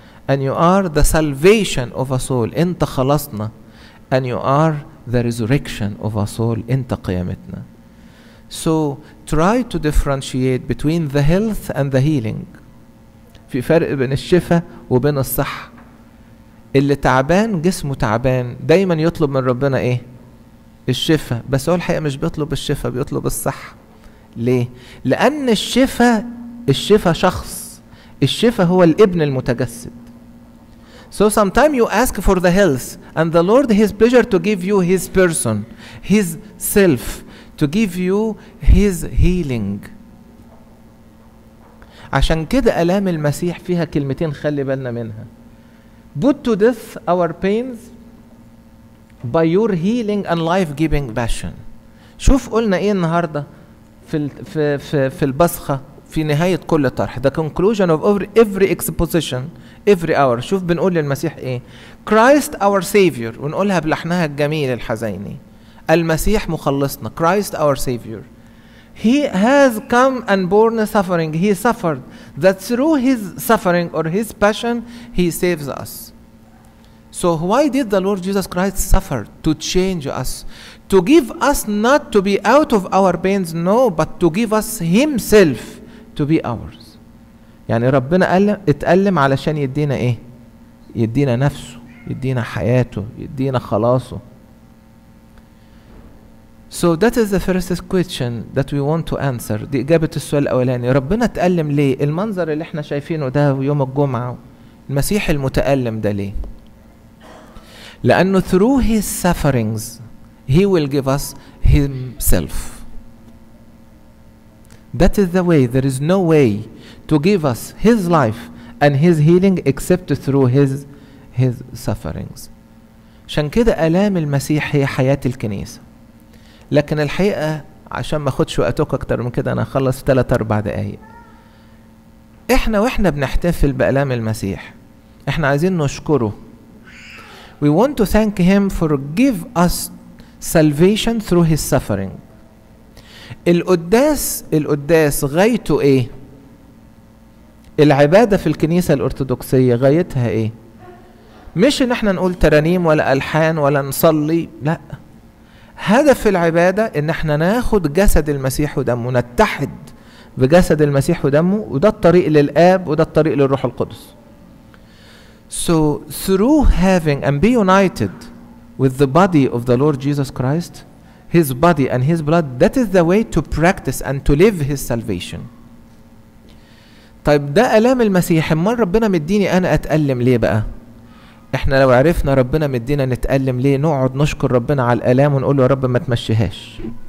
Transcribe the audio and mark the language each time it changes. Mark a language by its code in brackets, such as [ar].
[en] And you are the salvation of us all. [ar] أنت خلصنا. [en] And you are the resurrection of us all. [ar] أنت قيامتنا. [en] So try to differentiate between the health and the healing. [ar] في فرق بين الشفاء وبين الصحة. اللي تعبان جسمه تعبان دايما يطلب من ربنا ايه؟ الشفاء. بس هو الحقيقة مش بيطلب الشفاء، بيطلب الصحة. ليه؟ لأن الشفاء شخص، الشفاء هو الابن المتجسد. [en] So sometimes you ask for the health and the Lord his pleasure to give you his person, his self, to give you his healing. [ar] عشان كده ألام المسيح فيها كلمتين خلي بالنا منها. [en] Put to death our pains by your healing and life-giving passion. [ar] شوف قلنا ايه النهاردة في في في في البسخة في نهاية كل طرح. [en] The conclusion of every exposition, every hour. [ar] شوف بنقول للمسيح ايه. [en] Christ our Savior. [ar] ونقولها بلحنها الجميل الحزيني. المسيح مخلصنا. [en] Christ our Savior. He has come and borne suffering. He suffered that through his suffering or his passion, he saves us. So why did the Lord Jesus Christ suffer? To change us. To give us not to be out of our pains, no, but to give us himself to be ours. [ar] يعني ربنا اتألم علشان يدينا ايه؟ يدينا نفسه، يدينا حياته، يدينا خلاصه. [en] So that is the first question that we want to answer. [ar] دي إجابة السؤال الأولاني. ربنا تألم ليه؟ المنظر اللي احنا شايفينه ده يوم الجمعة، المسيح المتألم ده ليه؟ لأنه [en] through his sufferings he will give us himself. That is the way. There is no way to give us his life and his healing except through his sufferings. [ar] عشان كده ألام المسيح هي حياة الكنيسة. لكن الحقيقة عشان ما اخدش وقتك اكتر من كده انا اخلص 3-4 دقايق. احنا واحنا بنحتفل بألام المسيح احنا عايزين نشكره. [en] We want to thank him for give us salvation through his suffering. [ar] القداس غايته ايه؟ العبادة في الكنيسة الارثوذكسية غايتها ايه؟ مش ان احنا نقول ترانيم ولا الحان ولا نصلي، لا. هدف العبادة ان احنا ناخد جسد المسيح ودمه، نتحد بجسد المسيح ودمه، وده الطريق للآب وده الطريق للروح القدس. [en] So through having and be united with the body of the Lord Jesus Christ, his body and his blood, that is the way to practice and to live his salvation. [ar] طيب ده ألام المسيح، امال ربنا مديني انا اتألم ليه بقى؟ احنا لو عرفنا ربنا مدينا نتألم ليه نقعد نشكر ربنا على الألام ونقول يا رب ما تمشيهاش.